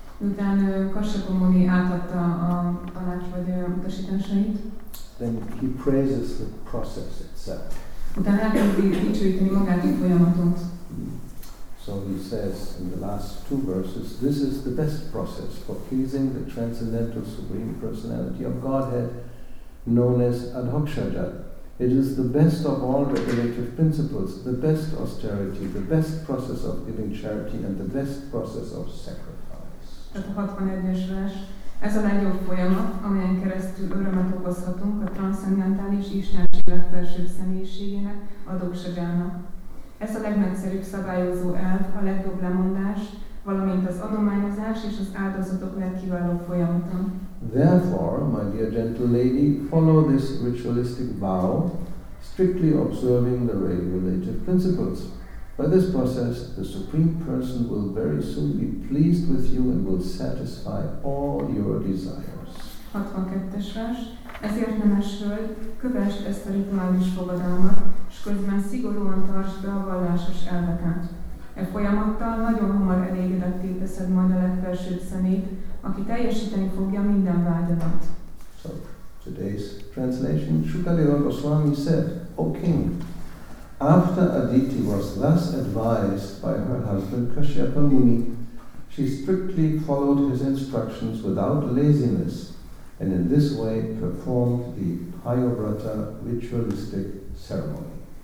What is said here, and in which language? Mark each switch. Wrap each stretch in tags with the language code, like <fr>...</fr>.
<hu>Utan Kashyapa Muni átadta a tanács vagy utasításait.</hu> <en>Then he praises the process itself.</en> <hu>Utan elkezdi dicsőíteni magát a folyamatot.</hu> <en>So he says in the last two verses, this is the best process for pleasing the transcendental supreme personality of Godhead, known as Adhokshaja. It is the best of all regulative principles, the best austerity, the best process of giving charity, and the best process of sacrifice.</en> <hu>A 61-es vers. Ez a legjobb folyamat, amelyen keresztül örömet okozhatunk a transzcendentális istenségek felsőbb személyiségének, a dokságának. Ez a legnagyszerűbb szabályozó elv, a legjobb lemondás, valamint az adományozás és az áldozatok legkiváló folyamata.</hu> <en>Therefore, my dear gentle lady, follow this ritualistic vow, strictly observing the regulative principles. By this process, the Supreme Person will very soon be pleased with you and will satisfy all your desires.</en> <hu>62-es vers. Ezért nemes hölgy, kövesd ezt a rituális fogadalmat, s közben szigorúan tartsd be a vallásos elveket. E folyamattal nagyon hamar elégedetté teszed majd a legfelsőbb szemét, aki teljesíteni fogja minden vágyadat.</hu> <en>So, today's translation, Shukadeva Goswami said, O King, after Aditi was thus advised by her husband Kashyapa Muni, she strictly followed his instructions without laziness, and in this way performed the Payobrata ritualistic ceremony.</en>